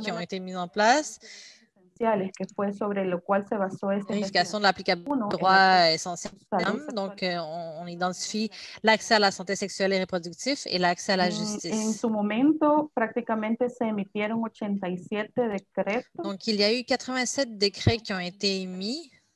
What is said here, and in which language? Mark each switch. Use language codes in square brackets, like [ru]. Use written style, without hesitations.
[fr] qui ont été mises en place, vérification de l'application du droit essentiel, donc on identifie l'accès à la santé sexuelle et reproductive et l'accès à la justice. [es] En su momento, prácticamente se emitieron 87 decretos. [fr] Donc, il y a eu 87 décrets qui ont été émis.